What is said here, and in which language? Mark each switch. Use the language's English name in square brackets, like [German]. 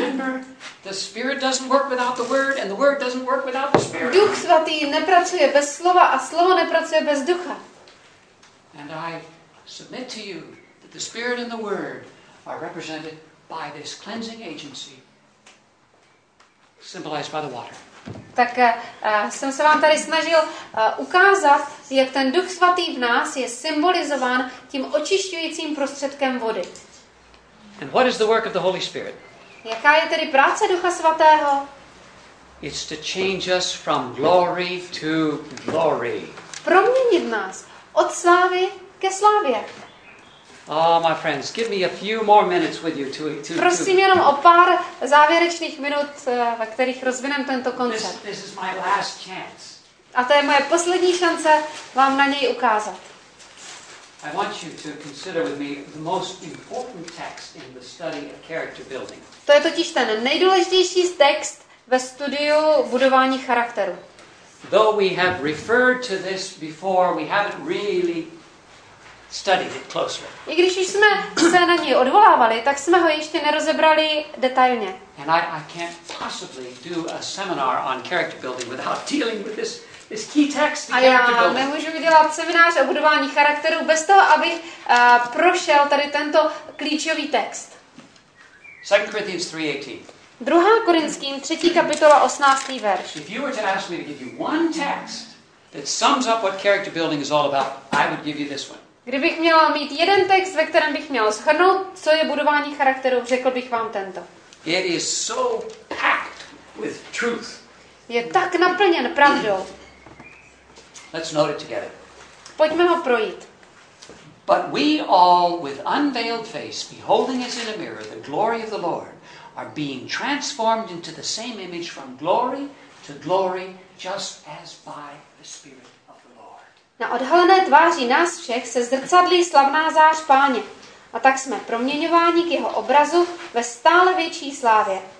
[English] Remember, the spirit doesn't work without the word and the word doesn't work without the spirit. [Czech] Duch svatý nepracuje bez slova a slovo nepracuje bez ducha. [English] And I submit to you that the spirit and the word are represented by this cleansing agency symbolized by the water. [Czech] Tak jsem se vám tady snažil ukázat, jak ten Duch svatý v nás je symbolizován tím očišťujícím prostředkem vody. [English] And what is the work of the Holy Spirit? [Czech] Jaká je tedy práce Ducha svatého? [English] It's to change us from glory to glory. [Czech] Proměnit nás od slávy ke slávě. [English] Oh, my friends, give me a few more minutes with you to [Czech] prosím jenom o pár závěrečných minut, ve kterých rozvinem tento koncept. [English] This is my last chance. [Czech] A to je moje poslední šance vám na něj ukázat. [English] I want you to consider with me the most important text in the study of character building. [Czech] To je totiž ten nejdůležitější text ve studiu budování charakteru. [English] Though we have referred to this before, we haven't really studied it closely. [Czech] I když už jsme se na něj odvolávali, tak jsme ho ještě nerozebrali detailně. [English] And I can't possibly do a seminar on character building without dealing with this. [Czech] A já nemůžu udělat seminář o budování charakteru bez toho, abych prošel tady tento klíčový text. 2. Korinským 3:18. 2. Korinským 3. kapitola 18. verš. [English] If you were to ask me to give you one text that It sums up what character building is all about. I would give you this one. [Czech] Kdybych měla mít jeden text, ve kterém bych měla shrnout, co je budování charakteru, řekl bych vám tento. [English] It is so packed with truth. [Czech] Je tak naplněn pravdou. [English] Let's note it together. [Czech] Pojďme ho projít. [English] But we all with unveiled face beholding as in a mirror the glory of the Lord are being transformed into the same image from glory to glory just as by the Spirit of the Lord. [Czech] Na odhalené tváři nás všech se zrcadlí slavná zář Páně. A tak jsme proměňováni k jeho obrazu ve stále větší slávě.